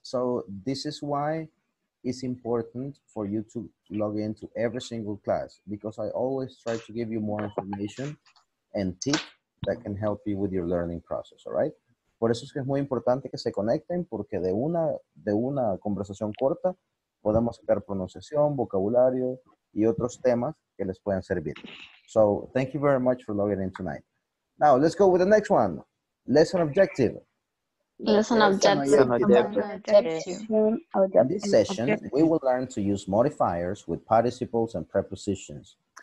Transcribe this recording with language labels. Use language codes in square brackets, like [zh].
[en] So this is why it's important for you to log into every single class, because I always try to give you more information and tips that can help you with your learning process. All right. [es] Por eso es que es muy importante que se conecten, porque de una conversación corta podemos sacar pronunciación, vocabulario y otros temas que les pueden servir. [en] So, thank you very much for logging in tonight. Now, let's go with the next one. Lesson objective. In this session, we will learn to use modifiers with participles and prepositions.